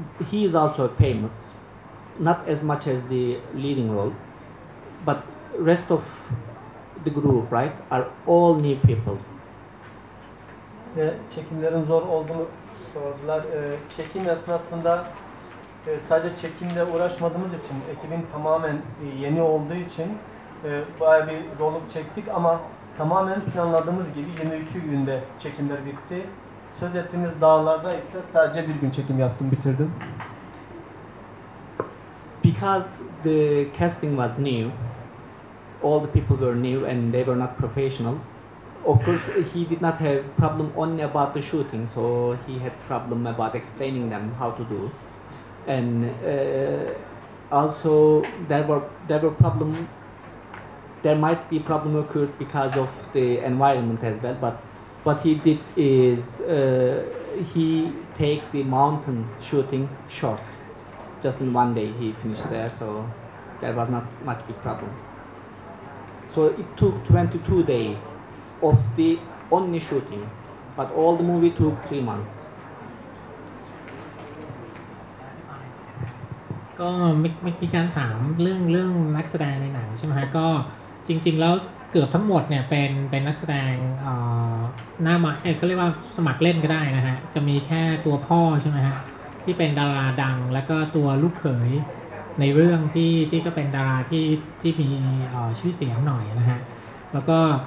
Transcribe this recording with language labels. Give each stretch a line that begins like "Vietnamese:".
English: He is also famous, not as much as the leading role, but rest of the group, right, are all new people.
Turkish: Ve çekimlerin zor olduğunu sordular. Çekim esnasında sadece çekimle uğraşmadığımız için ekibin tamamen yeni olduğu için bayağı bir zorluk çektik ama. Tamamen planladığımız gibi 22 günde çekimler bitti. Söz ettiğimiz dağlarda ise sadece bir gün çekim yaptım, bitirdim.
English: Because the casting was new, all the people were new and they were not professional. Of course, he did not have problem only about the shooting, so he had problem about explaining them how to do. And also there were problems. There might be problem occurred because of the environment as well, but what he did is he take the mountain shooting short. Just in one day he finished there, so there was not much big problems. So it took 22 days of the only shooting, but all the movie took 3 months.
Thai: ก็มีการถามเรื่องนักแสดงในหนังใช่ไหมฮะก็จริงๆแล้วเกือบทั้งหมดเนี่ยเป็นนักแสดงหน้าใหม่เขาเรียกว่าสมัครเล่นก็ได้นะฮะจะมีแค่ตัวพ่อใช่ไหมฮะที่เป็นดาราดังแล้วก็ตัวลูกเขยในเรื่องที่ก็เป็นดาราที่มีชื่อเสียงหน่อยนะฮะแล้วก็